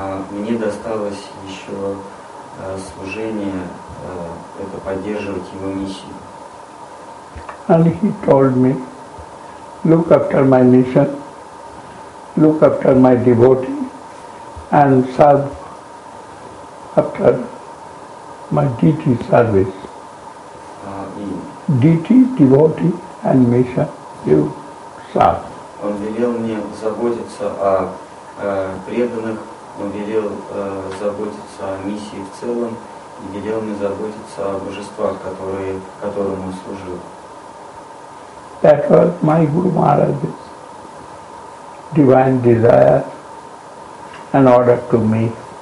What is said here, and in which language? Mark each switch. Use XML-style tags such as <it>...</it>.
<ru>Мне досталось еще служение это поддерживать его миссию.</ru> <en>And he told me, look after my mission, look after my devotee, and serve after my deity service. Deity, devotee, and mission, you serve.</en> <ru>Он велел мне заботиться о преданных. Он велел заботиться о миссии в целом и велел мне заботиться о божествах, которым он служил.</ru> <en>That was my Guru Maharaj's divine desire and order to me.</en>